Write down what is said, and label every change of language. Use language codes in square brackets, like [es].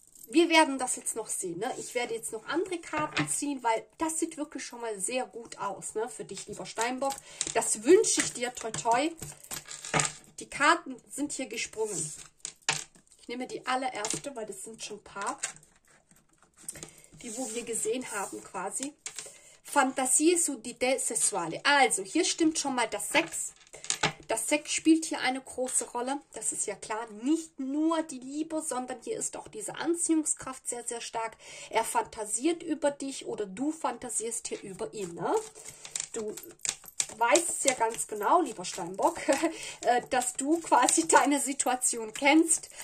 [de] Wir werden das jetzt noch sehen, ne? Ich werde jetzt noch andere Karten ziehen, weil das sieht wirklich schon mal sehr gut aus, ne? Für dich, lieber Steinbock. Das wünsche ich dir, toi toi. Die Karten sind hier gesprungen. Ich nehme die allererste, weil das sind schon ein paar, die wo wir gesehen haben quasi. [it] Fantasie su di te sessuale. [de] Also, hier stimmt schon mal das Sex. Das Sex spielt hier eine große Rolle. Das ist ja klar. Nicht nur die Liebe, sondern hier ist auch diese Anziehungskraft sehr, sehr stark. Er fantasiert über dich oder du fantasierst hier über ihn, ne? Du weißt es ja ganz genau, lieber Steinbock, dass du quasi deine Situation kennst.